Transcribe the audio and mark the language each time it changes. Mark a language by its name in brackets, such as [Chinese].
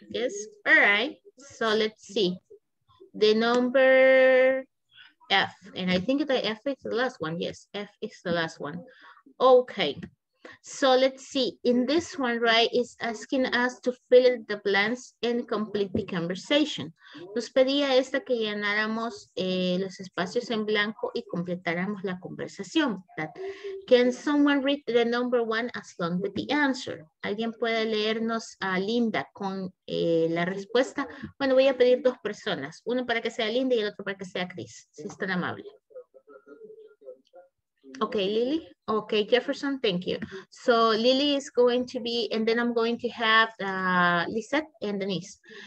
[English] Yes, all right. So let's see. The number F, and I think the F is the last one. Yes, F is the last one. Okay. So let's see. In this one, right, is asking us to fill in the blanks and complete the conversation. [Spanish] Nos pedía esta que llenáramos los espacios en blanco y completáramos la conversación. [English] That, can someone read the number one as long with the answer? [Spanish] ¿Alguien puede leernos a Linda con la respuesta? Bueno, voy a pedir dos personas. Uno para que sea Linda y el otro para que sea Chris, si es tan amable. [English] Okay, Lily. Okay, Jefferson, thank you. So Lily is going to be, and then I'm going to have Lisette and Denise.